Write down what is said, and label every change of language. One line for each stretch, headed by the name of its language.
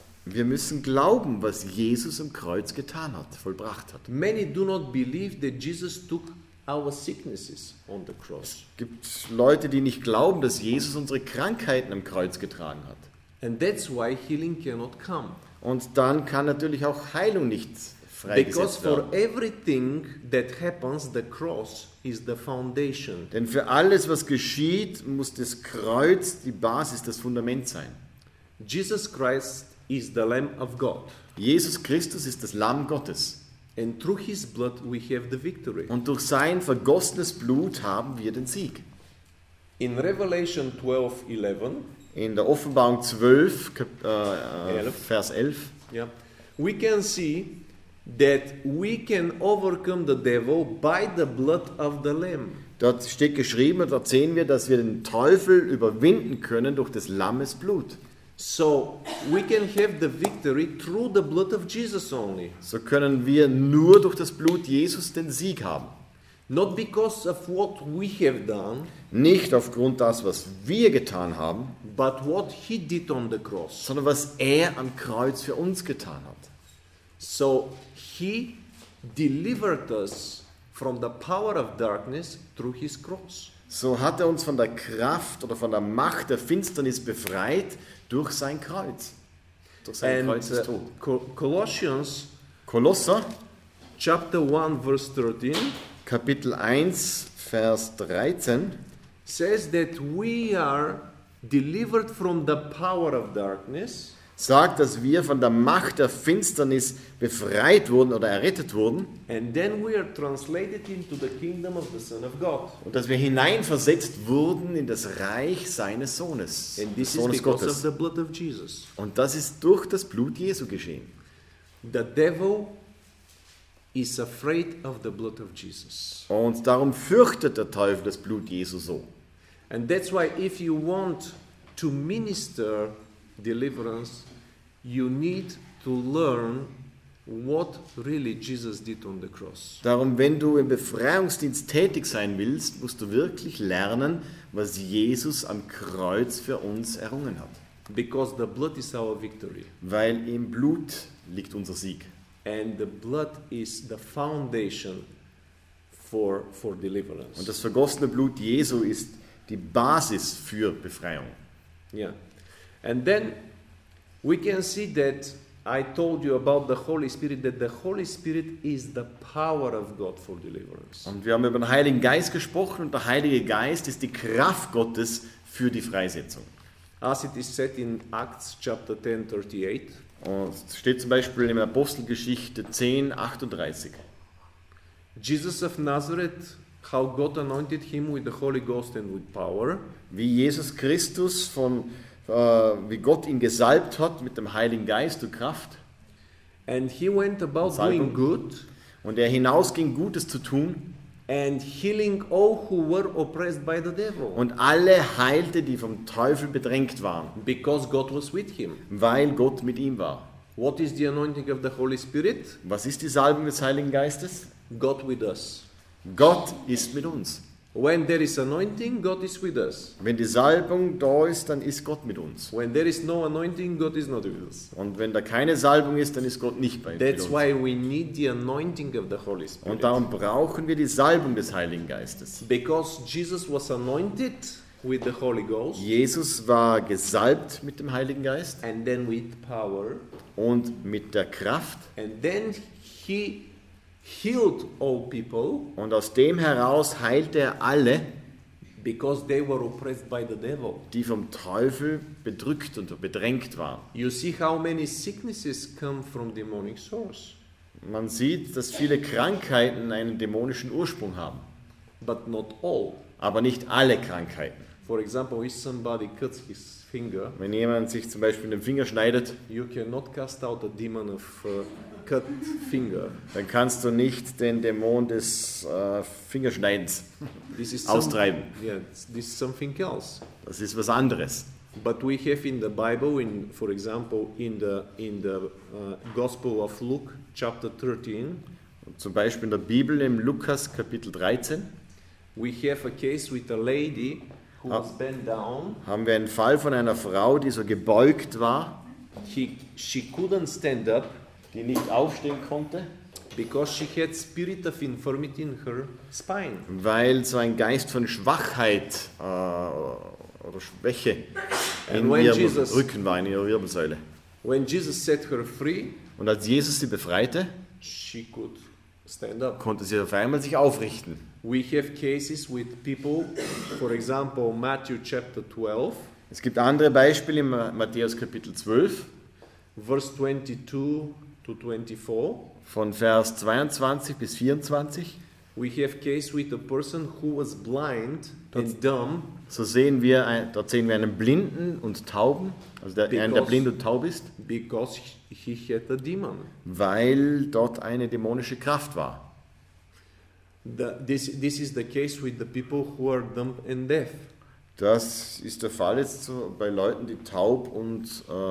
German: Wir müssen glauben, was Jesus am Kreuz getan hat, vollbracht hat.
English: Many do not believe that Jesus took our sicknesses on the cross.
German: Es gibt Leute, die nicht glauben, dass Jesus unsere Krankheiten am Kreuz getragen hat.
English: And that's why healing cannot come.
German: Und dann kann natürlich auch Heilung nicht freigesetzt Because for haben.
English: Everything that happens, the cross is the foundation.
German: Denn für alles, was geschieht, muss das Kreuz die Basis, das Fundament sein.
English: Jesus Christ is the Lamb of God.
German: Jesus Christus ist das Lamm Gottes.
English: And through his blood we have the victory.
German: Und durch sein vergossenes Blut haben wir den Sieg.
English: In Revelation 12:11,
German: in der Offenbarung 12, Vers 11,
English: yeah, we can see that we can overcome the devil by the blood of the Lamb.
German: Dort steht geschrieben, dort sehen wir, dass wir den Teufel überwinden können durch des Lammes Blut.
English: So we can have the victory through the blood of Jesus only.
German: So können wir nur durch das Blut Jesus den Sieg haben.
English: Not because of what we have done,
German: nicht aufgrund das, was wir getan haben,
English: but what he did on the cross,
German: sondern was am Kreuz für uns getan hat.
English: So he delivered us from the power of darkness through his cross.
German: So hat uns von der Kraft oder von der Macht der Finsternis befreit durch sein Kreuz. Durch sein Kreuzestod. Colossians, Kolosser,
English: chapter 1 verse 13.
German: Kapitel 1, Vers 13
English: says that we are delivered from the power of darkness,
German: sagt, dass wir von der Macht der Finsternis befreit wurden oder errettet wurden,
English: and then we are translated into the kingdom of the Son of God,
German: und dass wir hineinversetzt wurden in das Reich seines Sohnes,
English: and this Sohnes is because Gottes. Of the blood of Jesus.
German: Und das ist durch das Blut Jesu geschehen.
English: The devil is afraid of the blood of Jesus.
German: Und darum fürchtet der Teufel das Blut Jesu so.
English: And that's why if you want to minister deliverance, you need to learn what really Jesus did on the cross.
German: Darum, wenn du im Befreiungsdienst tätig sein willst, musst du wirklich lernen, was Jesus am Kreuz für uns errungen hat.
English: Because the blood is our victory.
German: Weil im Blut liegt unser Sieg.
English: And the blood is the foundation for deliverance.
German: Und das vergossene Blut Jesu ist die Basis für Befreiung.
English: Yeah. And then we can see that I told you about the Holy Spirit, that the Holy Spirit is the power of God for deliverance.
German: Und wir haben über den Heiligen Geist gesprochen, und der Heilige Geist ist die Kraft Gottes für die Freisetzung.
English: As it is said in Acts chapter 10:38.
German: Und es steht zum Beispiel in Apostelgeschichte 10:38.
English: Jesus of Nazareth, how God anointed him with the Holy Ghost and with power.
German: Wie Jesus Christus wie Gott ihn gesalbt hat mit dem Heiligen Geist und Kraft.
English: And he went about doing good.
German: Und hinausging, Gutes zu tun.
English: And healing all who were oppressed by the devil.
German: Und alle heilte, die vom Teufel bedrängt waren.
English: Because God was with him.
German: Weil Gott mit ihm war.
English: What is the anointing of the Holy Spirit?
German: Was ist die Salbung des Heiligen Geistes?
English: God with us.
German: Gott ist mit uns.
English: When there is anointing, God is with us.
German: Wenn die Salbung da ist, dann ist Gott mit uns.
English: When there is no anointing, God is not with us.
German: Und wenn da keine Salbung ist, dann ist Gott nicht bei uns.
English: That's why we need the anointing of the Holy Spirit.
German: Und darum brauchen wir die Salbung des Heiligen Geistes.
English: Because Jesus was anointed with the Holy Ghost.
German: Jesus war gesalbt mit dem Heiligen Geist.
English: And then with power.
German: Und mit der Kraft.
English: And then he healed all people,
German: und aus dem heraus heilte alle,
English: because they were oppressed by the devil,
German: die vom Teufel bedrückt und bedrängt waren.
English: You see how many sicknesses come from demonic source.
German: Man sieht, dass viele Krankheiten einen dämonischen Ursprung haben,
English: but not all.
German: Aber nicht alle Krankheiten.
English: For example, if somebody cuts his finger,
German: wenn jemand sich zum Beispiel den Finger schneidet,
English: you cannot cast out a demon of cut finger.
German: Dann kannst du nicht den Dämon des Fingerschneidens
English: this is
German: austreiben.
English: Yeah, this is something else.
German: Das ist was anderes.
English: But we have in the Bible, in for example in the Gospel of Luke chapter 13.
German: Und zum Beispiel in der Bibel im Lukas Kapitel 13.
English: We have a case with a lady who was bent down.
German: Haben wir einen Fall von einer Frau, die so gebeugt war.
English: She couldn't stand up.
German: Die nicht aufstehen konnte,
English: because she had spirit of infirmity in her spine.
German: Weil so ein Geist von Schwachheit oder Schwäche in ihrem Rücken war, in ihrer Wirbelsäule.
English: When Jesus set her free,
German: und als Jesus sie befreite,
English: she could stand up.
German: Konnte sie auf einmal sich aufrichten.
English: We have cases with people, for example, Matthew chapter 12.
German: Es gibt andere Beispiele in Matthäus Kapitel 12,
English: verse 22 to 24.
German: Von Vers 22 bis 24.
English: We have case with a person who was blind and dumb.
German: So sehen wir dort sehen wir einen Blinden und Tauben, also der einen der blind und taub ist.
English: Because he had a demon.
German: Weil dort eine dämonische Kraft war.
English: This is the case with the people who are dumb and deaf.
German: Das ist der Fall jetzt so bei Leuten, die taub und